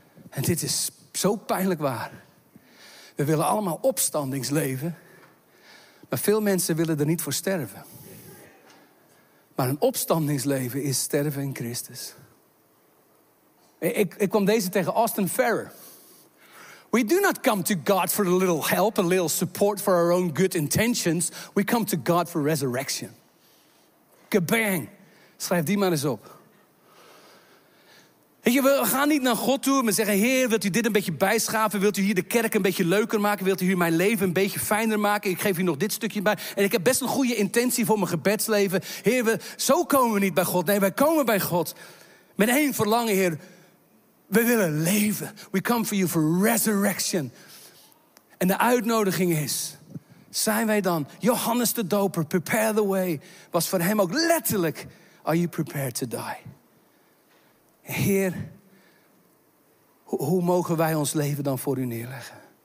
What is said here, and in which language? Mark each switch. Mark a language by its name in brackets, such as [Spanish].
[Dutch] En dit is zo pijnlijk waar. We willen allemaal opstandingsleven. Maar veel mensen willen er niet voor sterven. Maar een opstandingsleven is sterven in Christus. Ik kwam deze tegen Austin Farrer. [English] We do not come to God for a little help, a little support for our own good intentions. We come to God for resurrection. Kabang. [Dutch] Schrijf die maar eens op. We gaan niet naar God toe en zeggen: Heer, wilt u dit een beetje bijschaven? Wilt u hier de kerk een beetje leuker maken? Wilt u hier mijn leven een beetje fijner maken? Ik geef u nog dit stukje bij. En ik heb best een goede intentie voor mijn gebedsleven. Heer, zo komen we niet bij God. Nee, wij komen bij God met één verlangen, Heer. We willen leven. [English] We come for you for resurrection. [Dutch] En de uitnodiging is, zijn wij dan Johannes de Doper, [English] prepare the way, [Dutch] was voor hem ook letterlijk, [English] are you prepared to die? [Dutch] Heer, hoe mogen wij ons leven dan voor u neerleggen?